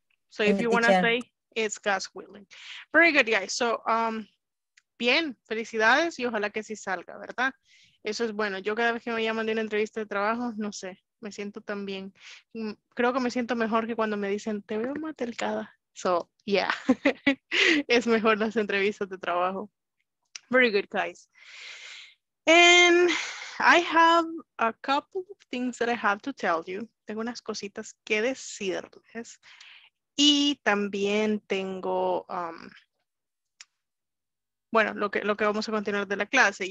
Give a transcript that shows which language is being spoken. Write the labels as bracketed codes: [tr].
[en] So if you want to say, it's God's willing. Very good, guys. [es] So, bien, felicidades y ojalá que sí salga, ¿verdad? Eso es bueno. Yo cada vez que me llaman de una entrevista de trabajo, no sé. Me siento tan bien. Creo que me siento mejor que cuando me dicen, te veo matelcada. [en] So, yeah. [es] Es mejor las entrevistas de trabajo. [en] Very good, guys. And I have a couple of things that I have to tell you. [es] Tengo unas cositas que decirles. Y también tengo, lo que vamos a continuar de la clase.